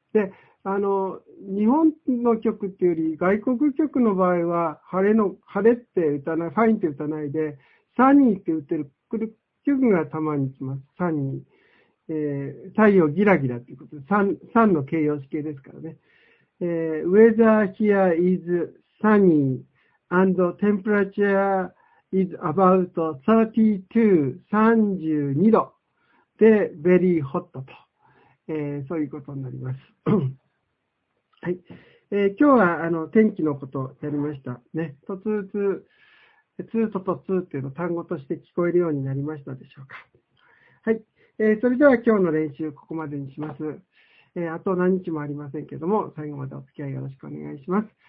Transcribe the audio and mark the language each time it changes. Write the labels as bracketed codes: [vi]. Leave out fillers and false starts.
[ja] で、日本の曲っていうより、外国曲の場合は、晴れって打たない、ファインって打たないで、サニーって打ってる曲がたまに来ます。サニー。太陽ギラギラっていうことで、サンの形容詞形ですからね。 [en] Weather here is sunny and temperature is about 32 [ja] 度で [en] very hot [ja] と、そういうことになります。はい、今日は天気のことをやりましたね。とつーつー、つーととつーっていうの単語として聞こえるようになりましたでしょうか。はい、それでは今日の練習ここまでにします。あと何日もありませんけども、最後までお付き合いよろしくお願いします。